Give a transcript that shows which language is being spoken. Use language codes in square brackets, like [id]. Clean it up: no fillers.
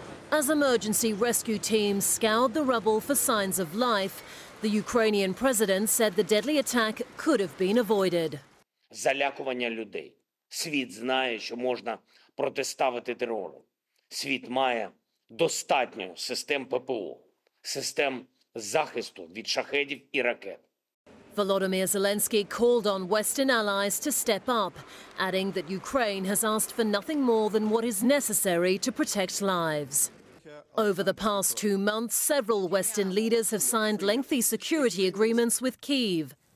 [en] As emergency rescue teams scoured the rubble for signs of life, the Ukrainian president said the deadly attack could have been avoided. [uk] Залякування людей. Світ знає, що можна протиставити терору. Світ має достатньо систем ППО, систем захисту від шахедів і ракет. [en] Volodymyr Zelensky called on Western allies to step up, adding that Ukraine has asked for nothing more than what is necessary to protect lives. Over the past 2 months, several Western leaders have signed lengthy security agreements with Kyiv.